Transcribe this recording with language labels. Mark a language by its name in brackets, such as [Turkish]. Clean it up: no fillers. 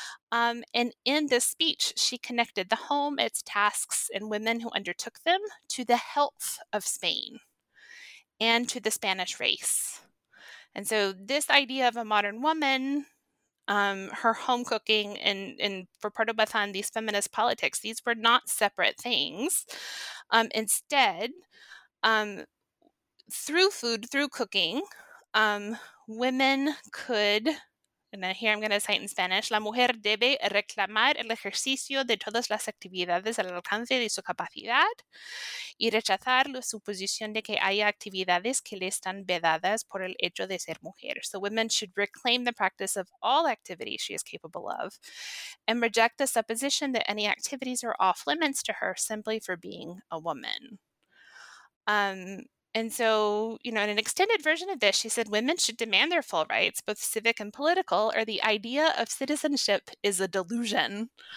[English] And in this speech, she connected the home, its tasks, and women who undertook them to the health of Spain and to the Spanish race. And so this idea of a modern woman, her home cooking, and for Pardo Bazán, these feminist politics, these were not separate things. Instead, through food, through cooking, women could, and then here I'm going to cite in Spanish, [Spanish] la mujer debe reclamar el ejercicio de todas las actividades al alcance de su capacidad y rechazar la suposición de que haya actividades que le están vedadas por el hecho de ser mujer. [English] So women should reclaim the practice of all activities she is capable of and reject the supposition that any activities are off limits to her simply for being a woman. And so, you know, in an extended version of this, she said women should demand their full rights, both civic and political, or the idea of citizenship is a delusion.